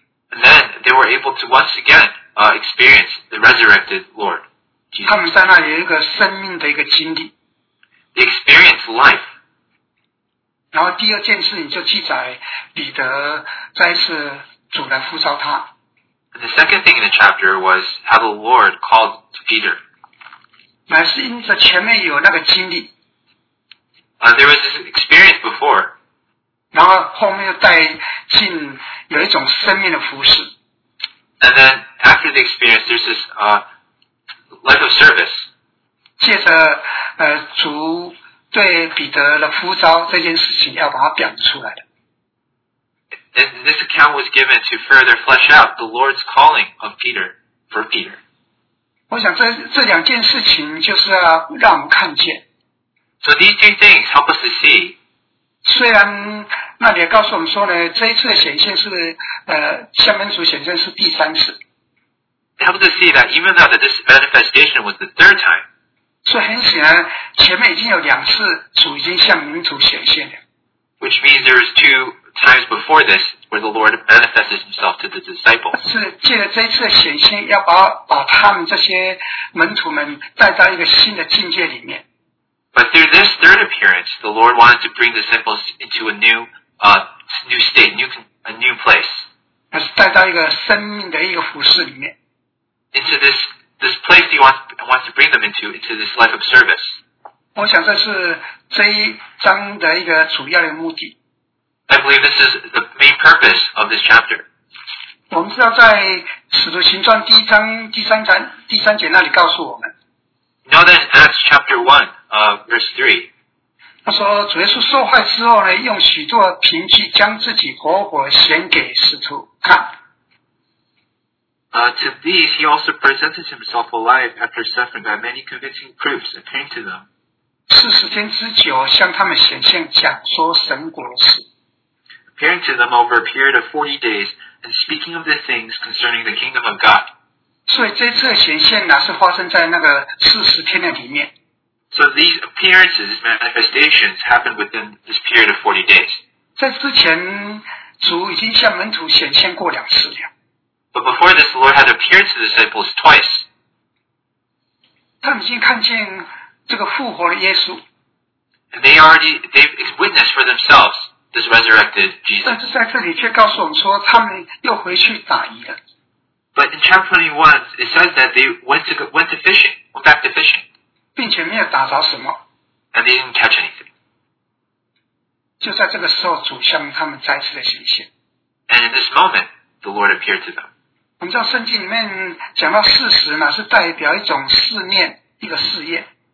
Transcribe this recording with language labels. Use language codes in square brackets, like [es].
[en] And then they were able to once again experience the resurrected Lord. Jesus. [zh] 他们在那里有一个生命的一个经历。 [en] They experienced life. [zh] 然后第二件事情就记载彼得再次主来呼召他。 [en] The second thing in the chapter was how the Lord called Peter. [zh] 乃是因着前面有那个经历。 [en] There was this experience before. [zh] 然后后面又带进有一种生命的服事。 [en] And then after the experience, there's this life of service. [zh] 借着主对彼得的呼召这件事情要把它表出来的。 [en] And this account was given to further flesh out the Lord's calling of Peter for Peter. [zh] 我想 这两件事情就是要让我们看见。 [en] So these two things help us to see. [zh] 虽然那里告诉我们说呢，这一次的显现是向门徒显现是第三次。 [en] It helps to see that even though this manifestation was the third time, [zh] 所以很显然，前面已经有两次主已经向门徒显现了。 [en] Which means there is two times before this where the Lord manifested himself to the disciples. [zh] 是借着这一次的显现，要把他们这些门徒们带到一个新的境界里面。 [en] But through this third appearance, the Lord wanted to bring the disciples into a new, new state, a new place. [zh] 还是带到一个生命的一个服事里面。 [en] Into this. This place he wants to bring them into this life of service. [zh] 我想这是这一章的一个主要的目的。 [en] I believe this is the main purpose of this chapter. [zh] 我们知道在使徒行传第一章第三章第三节那里告诉我们。 [en] Now then, Acts chapter 1, verse 3. [zh] 他说主耶稣受害之后呢，用许多凭据将自己活活显给使徒看。 [en] To these, he also presented himself alive after suffering by many convincing proofs appearing to them. [zh] 40 天之久向他们显现讲说神国的事。 [en] Appearing to them over a period of 40 days and speaking of the things concerning the kingdom of God. [zh] 所以这次的显现呢是发生在那个40天的里面。 [en] So these appearances, manifestations happened within this period of 40 days. [zh] 在之前主已经向门徒显现过两次了。 [en] But before this, the Lord had appeared to the disciples twice. [zh] 他们已经看见这个复活的耶稣。 [en] And they've witnessed for themselves this resurrected Jesus. [zh] 但是在这里却告诉我们说，他们又回去打鱼了。 [en] But in chapter 21, it says that they went back to fishing. [zh] 并且没有打着什么。 [en] And they didn't catch anything. [zh] 就在这个时候，主向他们再次的显现。 [en] And in this moment,The Lord appeared to them. [zh] 我们知道圣经里面讲到四十呢，是代表一种试炼，一个试验。